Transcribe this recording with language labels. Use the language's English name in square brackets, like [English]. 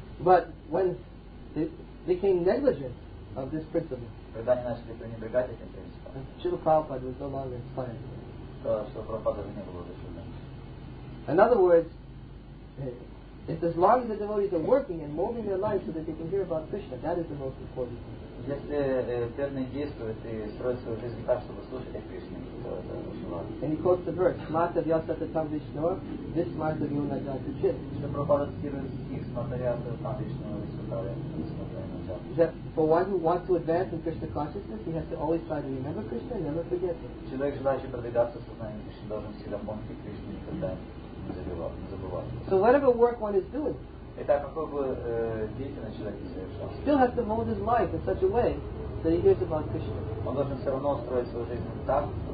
[English] But when became negligent of this principle, Srila Prabhupada was no longer inspired. In other words, if as long as the devotees are working and molding their lives so that they can hear about Krishna, that is the most important thing. [Russian] Если верно действует и строит свою жизнь так, чтобы слушать о Кришне, то это очень важно. [English] And he quotes the verse, Mata Vyasata Tam Vishnur, this Mata Vyuna Jati Chit. [Russian] Шрапада цитирует стих, Mata Vyasata Tam Vishnur, [English] that for one who wants to advance in Krishna consciousness, he has to always try to remember Krishna and never forget him. [Russian] Человек, желающий продвигаться в сознании Кришны, должен всегда помнить Кришну, никогда не забывать. [English] So whatever work one is doing, he still has to mold his life in such a way that he hears about Krishna.